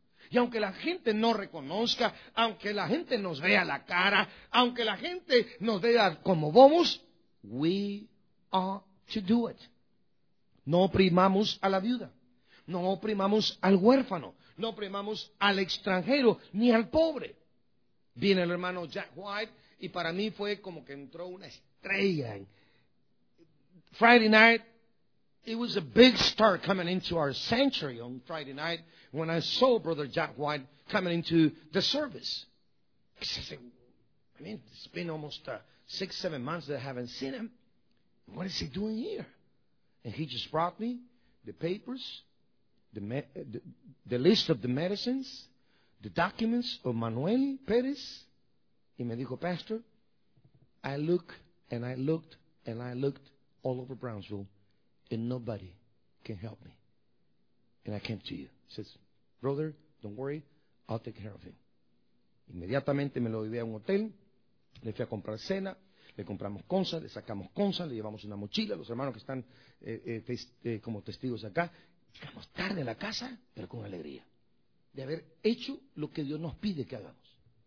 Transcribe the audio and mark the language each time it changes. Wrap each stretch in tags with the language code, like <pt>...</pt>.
<es>Y aunque la gente no reconozca, aunque la gente nos vea la cara, aunque la gente nos vea como bobos,</es> <en>we are to do it.</en> <es>No oprimamos a la viuda. No oprimamos al huérfano, no oprimamos al extranjero, ni al pobre. Viene el hermano Jack White y para mí fue como que entró una estrella.</es> <en>Friday night, it was a big star coming into our sanctuary on Friday night when I saw Brother Jack White coming into the service. It's been almost 6-7 months that I haven't seen him. What is he doing here? And he just brought me the papers. The list of the medicines, the documents of Manuel Perez.</en> <es>Y me dijo,</es> <en>Pastor, I looked and I looked and I looked all over Brownsville and nobody can help me. And I came to you. He says, Brother, don't worry, I'll take care of him.</en> <es>Inmediatamente me lo llevé a un hotel, le fui a comprar cena. Le compramos cosas, le sacamos cosas, le llevamos una mochila. Los hermanos que están como testigos acá. Llegamos tarde a la casa, pero con alegría de haber hecho lo que Dios nos pide que hagamos.</es>